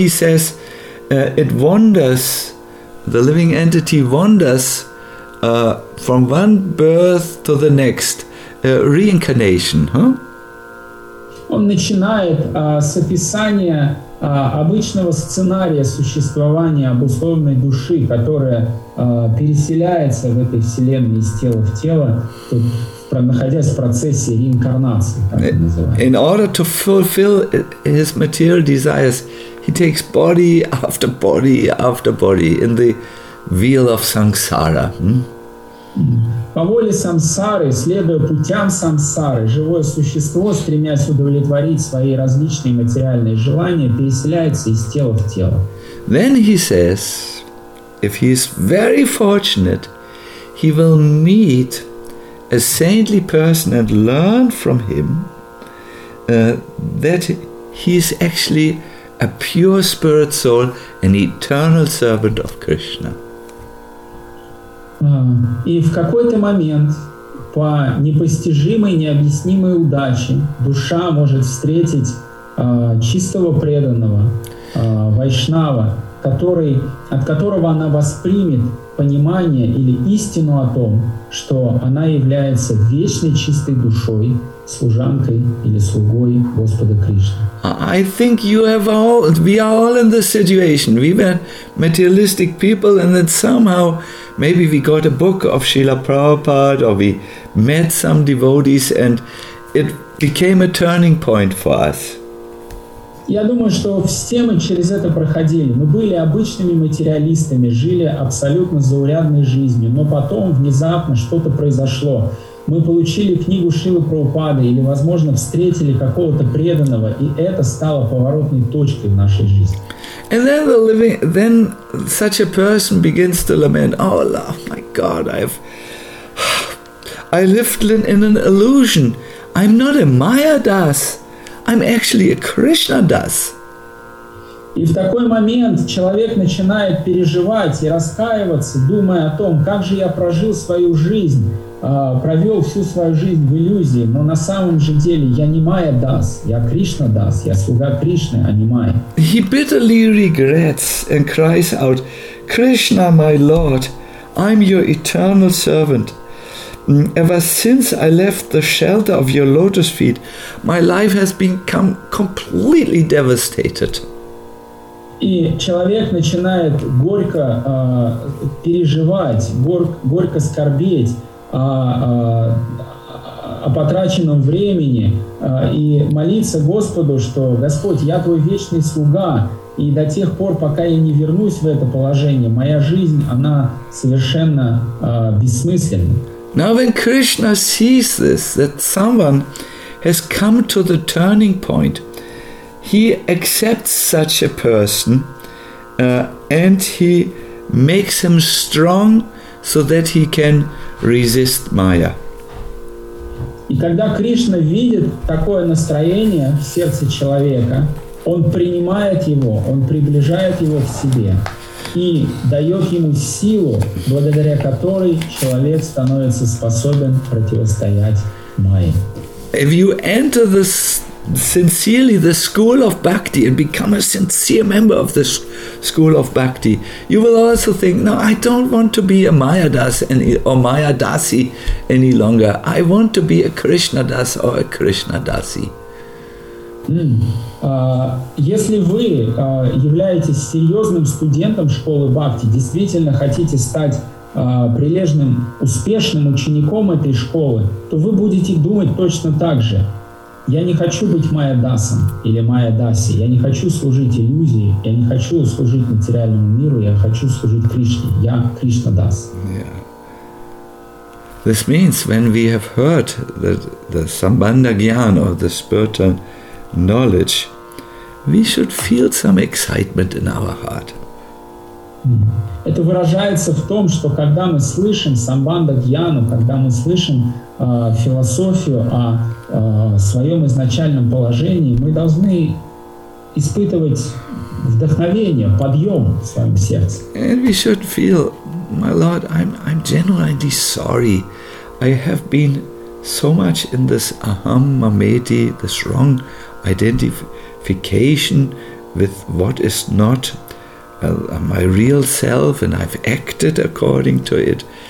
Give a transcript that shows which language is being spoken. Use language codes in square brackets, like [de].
[en] He says, it wanders, the living entity wanders from one birth to the next, reincarnation, huh? [ru] Он начинает с описания обычного сценария существования обусловленной души, которая переселяется в этой вселенной из тела в тело, находясь в процессе реинкарнации, так называемой. [en] In order to fulfill his material desires, he takes body after body after body in the wheel of samsara. [ru] По воле самсары, следуя путям самсары, живое существо, стремясь удовлетворить свои различные материальные желания, переселяется из тела в тело. [en] Then he says, if he is very fortunate, he will meet a saintly person and learn from him that he is actually a pure spirit soul, an eternal servant of Krishna. [ru] И в какой-то момент, по непостижимой, необъяснимой удаче, душа может встретить чистого преданного, вайшнава, от которого она воспримет понимание или истину о том, что она является вечной чистой душой, служанкой или слугой Господа Кришны. [en] I think you have all, we are all in this situation. We were materialistic people, and then somehow, maybe we got a book of Srila Prabhupada, or we met some devotees, and it became a turning point for us. [ru] Я думаю, что все мы через это проходили. Мы были обычными материалистами, жили абсолютно заурядной жизнью, но потом внезапно что-то произошло. Мы получили книгу Шрилы Прабхупады или, возможно, встретили какого-то преданного, и это стало поворотной точкой в нашей жизни. [en] And then the living, then such a person begins to lament, oh Lord, my God, I lived in an illusion. I'm not a Maya Das. I'm actually a Krishna Das. [ru] И в такой момент человек начинает переживать и раскаиваться, думая о том, как же я прожил свою жизнь, провел всю свою жизнь в иллюзии, но на самом же деле я не Майя Дас, я Кришна Дас, я слуга Кришны, а не Майя. [en] He bitterly regrets and cries out, Krishna, my Lord, I'm your eternal servant. Ever since I left the shelter of your lotus feet, my life has become completely devastated. [ru] И человек начинает горько переживать, горько скорбеть о потраченном времени и молиться Господу, что «Господь, я твой вечный слуга, и до тех пор, пока я не вернусь в это положение, моя жизнь, она совершенно бессмысленна». [en] Now when Krishna sees this, that someone has come to the turning point, He accepts such a person and he makes him strong so that he can resist Maya. [ru] И когда Кришна видит такое настроение в сердце человека, он принимает его, он приближает его к себе и дает ему силу, благодаря которой человек становится способен противостоять Майе. [en] If you enter this sincerely the school of bhakti and become a sincere member of this school of bhakti, you will also think, no, I don't want to be a Maya Das or Maya Dasi any longer. I want to be a Krishna Das or a Krishna Dasi. [ru] Если вы являетесь серьезным студентом школы бхакти, действительно хотите стать прилежным, успешным учеником этой школы, то вы будете думать точно так же. Я не хочу быть Майя Дасом или Майя Даси. Я не хочу служить иллюзии. Я не хочу служить материальному миру. Я хочу служить Кришне. Я Кришна Дас. [en] This means when we have heard the Sambandha Gyan or the spiritual knowledge, we should feel some excitement in our heart. [ru] Это выражается в том, что когда мы слышим Самбанда Гьяну, когда мы слышим философию о своем изначальном положении, мы должны испытывать вдохновение, подъем в своем сердце. [en] And we should feel, my Lord, I'm genuinely sorry. I have been so much in this [sa] aham, mameti, [en] this wrong identification with what is not my real self, and I've acted according to it.